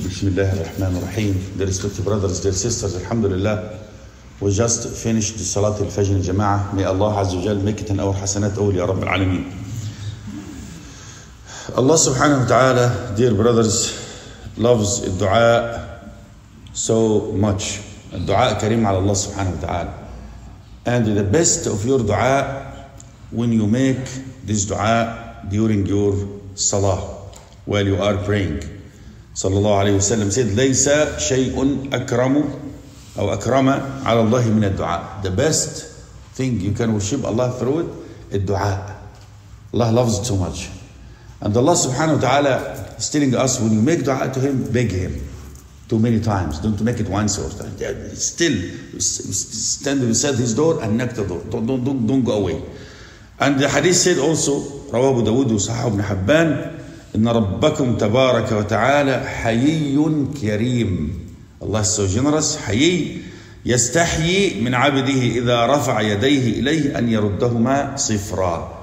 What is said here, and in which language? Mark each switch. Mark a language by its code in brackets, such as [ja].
[ar] بسم الله الرحمن الرحيم. [en] Dear respected brothers, dear sisters, alhamdulillah, we just finished the Salat al-Fajr jama'ah. May Allah عز وجل make it an hour [ar] حسنات أول يا رب العالمين. [en] Allah subhanahu wa ta'ala, dear brothers, loves الدعاء so much. [ar] الدعاء كريم على الله سبحانه وتعالى. [en] And the best of your دعاء when you make this دعاء during your Salah. While you are praying, [ar] صلى الله عليه وسلم said, ليس شيء أكرم أو أكرم على الله من الدعاء. [en] The best thing you can worship Allah through it, الدعاء. Allah loves it so much. And Allah [ar] سبحانه وتعالى [en] is telling us, when you make دعاء to him, beg him too many times. Don't make it once or twice. Still stand beside his door and knock the door. Don't go away. And the hadith said also, [ar] رواه أبو داود وصححه ابن حبان, إن ربكم تبارك وتعالى حيي كريم. الله [en] is so generous, [ar] حيي, يستحيي من عبده إذا رفع يديه إليه أن يردهما صفرا.